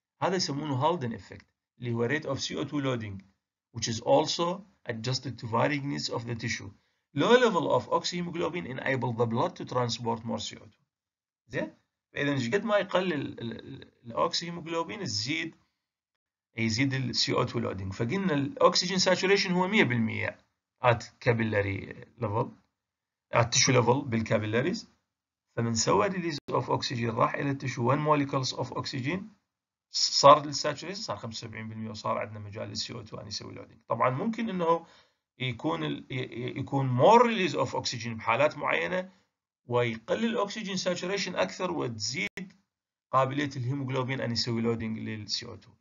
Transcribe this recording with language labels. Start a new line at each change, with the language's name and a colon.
Arabic: هذا يسمونه
English: Haldane effect
Arabic: اللي هو
English: Rate of C O 2 loading which is also adjusted to varying needs of the tissue. Low level of oxyhemoglobin enable the blood to transport more CO2.
Arabic: زين؟ فإذا ايش قد ما يقلل الأكسيهيموغلوبين يزيد الـ CO2 loading. فقلنا الأكسجين
English: saturation هو 100% at capillary level at tissue level
Arabic: بالكابيلاريز. فمن سوى
English: release of oxygen
Arabic: راح إلى التشو
English: 1 molecules of oxygen
Arabic: صار الساتوريشن صار 75% وصار عندنا مجال للسي او 2 ان يسوي لودينج. طبعا ممكن انه يكون
English: more release of oxygen
Arabic: بحالات معينه ويقلل الاكسجين ساتوريشن اكثر وتزيد قابليه الهيموغلوبين ان يسوي لودينج للسي او 2.